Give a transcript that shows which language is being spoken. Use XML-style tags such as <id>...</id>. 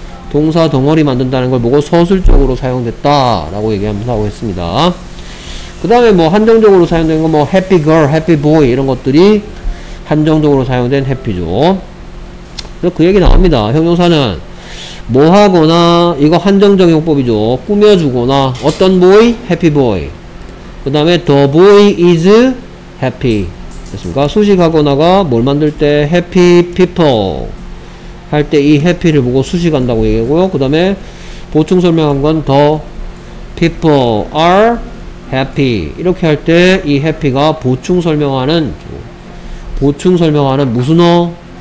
<ko>동사 덩어리 만든다는 걸 보고 서술적으로 사용됐다 라고 얘기하면서 했습니다. 그 다음에 뭐 한정적으로 사용된 건 뭐 happy girl, happy boy 이런 것들이 한정적으로 사용된 happy죠. 그래서 그 얘기 나옵니다. 형용사는 뭐 하거나 이거 한정적 용법이죠. 꾸며주거나 어떤 boy? happy boy. 그 다음에</ko> <en>the boy is happy.</en> <ko>됐습니까? 수식하거나가 뭘 만들 때 happy people 할 때 이 happy를 보고 수식한다고 얘기하고요. 그 다음에 보충 설명한 건</ko> <en>the people are happy</en> <ko>이렇게 할 때 이 happy가 보충 설명하는 보충 설명하는 무슨 어?</ko>